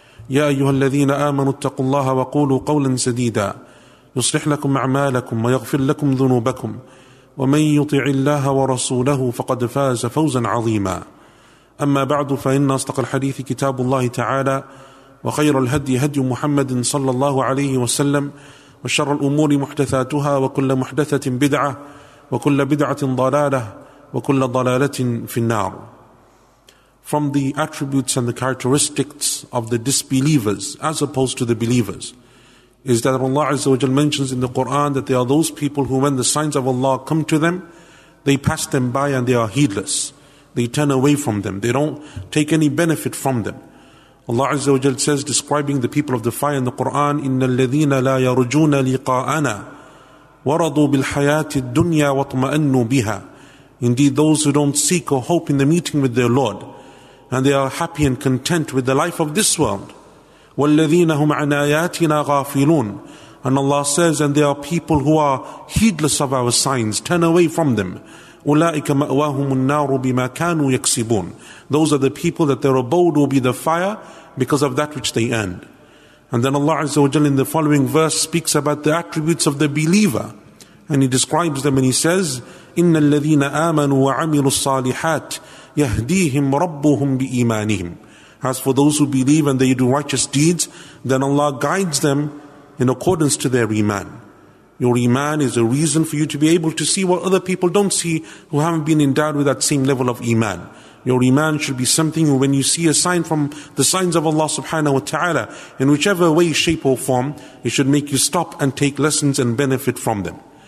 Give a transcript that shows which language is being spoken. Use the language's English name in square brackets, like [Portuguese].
[Arabic] يا أيها الذين آمنوا اتقوا الله وقولوا قولا سديدا يصلح لكم أعمالكم ويغفر لكم ذنوبكم ومن يطع الله ورسوله فقد فاز فوزا عظيما أما بعد فإن أصدق الحديث كتاب الله تعالى وخير الهدي هدي محمد صلى الله عليه وسلم وشر الأمور محدثاتها وكل محدثة بدعة وكل بدعة ضلالة وكل ضلالة في النار. [English] From the attributes and the characteristics of the disbelievers as opposed to the believers is that Allah Azza wa Jal mentions in the Quran that they are those people who, when the signs of Allah come to them, they pass them by and they are heedless. They turn away from them. They don't take any benefit from them. Allah Azza wa Jal says, describing the people of the fire in the Quran, [Arabic] إِنَّ الَّذِينَ لَا يَرُجُونَ لِقَاءَنَا وَرَضُوا بِالْحَيَاةِ الدُّنْيَا وَطْمَأَنُّوا بِهَا. [English] Indeed, those who don't seek or hope in the meeting with their Lord, and they are happy and content with the life of this world. [Arabic] وَالَّذِينَ هُمْ عَنْ آيَاتِنَا غَافِلُونَ. [English] And Allah says, and they are people who are heedless of our signs, turn away from them. [Arabic] أُولَٰئِكَ مَأْوَاهُمُ النَّارُ بِمَا كَانُوا يَكْسِبُونَ. [English] Those are the people that their abode will be the fire because of that which they earned. And then Allah Azza wa Jalla in the following verse speaks about the attributes of the believer. And He describes them and He says, [Arabic] إِنَّ الَّذِينَ آمَنُوا وَعَمِلُوا الصَّالِحَاتِ يَهْدِيهِمْ رَبُّهُمْ بِإِيمَانِهِمْ. [English] As for those who believe and they do righteous deeds, then Allah guides them in accordance to their iman. Your iman is a reason for you to be able to see what other people don't see who haven't been endowed with that same level of iman. Your iman should be something when you see a sign from the signs of Allah subhanahu wa ta'ala, in whichever way, shape or form, it should make you stop and take lessons and benefit from them.